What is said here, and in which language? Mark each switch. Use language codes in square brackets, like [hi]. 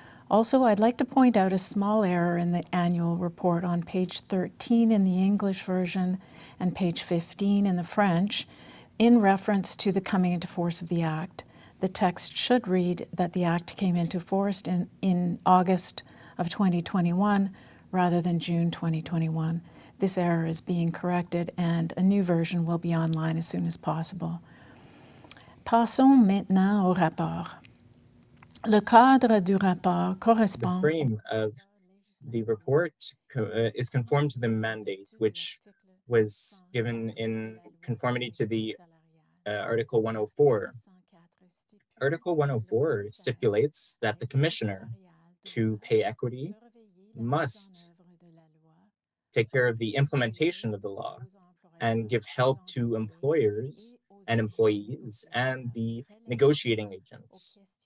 [en] Also, I'd like to point out a small error in the annual report on page 13 in the English version and page 15 in the French in reference to the coming into force of the Act. The text should read that the Act came into force in August of 2021 rather than June 2021. This error is being corrected and a new version will be online as soon as possible. [fr] Passons maintenant au rapport. Le cadre du rapport correspond. [en] The frame of the report is conformed to the mandate, which was given in conformity to the Article 104. Article 104 stipulates that the commissioner to pay equity must take care of the implementation of the law and give help to employers and employees and the negotiating agents